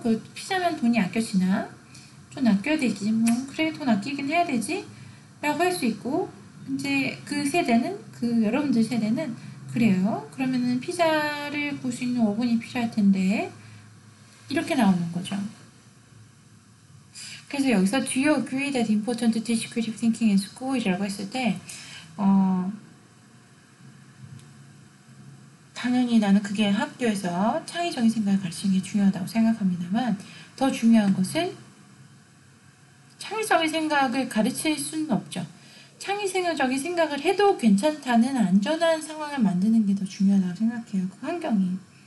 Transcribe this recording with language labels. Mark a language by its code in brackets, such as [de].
[ko] 그 피자면 돈이 아껴지나? 좀 아껴야 되지. 뭐 그래 돈 아끼긴 해야 되지 라고 할 수 있고, 이제 그 세대는, 그 여러분들 세대는 그래요, 그러면은 피자를 구울 수 있는 오븐이 필요할 텐데 이렇게 나오는 거죠. 그래서 여기서 [en] Do you agree that important to teach creative thinking in school? [ko] 이라고 했을 때 당연히 나는 그게 학교에서 창의적인 생각을 가르치는 게 중요하다고 생각합니다만 더 중요한 것은 창의적인 생각을 가르칠 수는 없죠. 창의적인 생각을 해도 괜찮다는 안전한 상황을 만드는 게 더 중요하다고 생각해요. 그 환경이.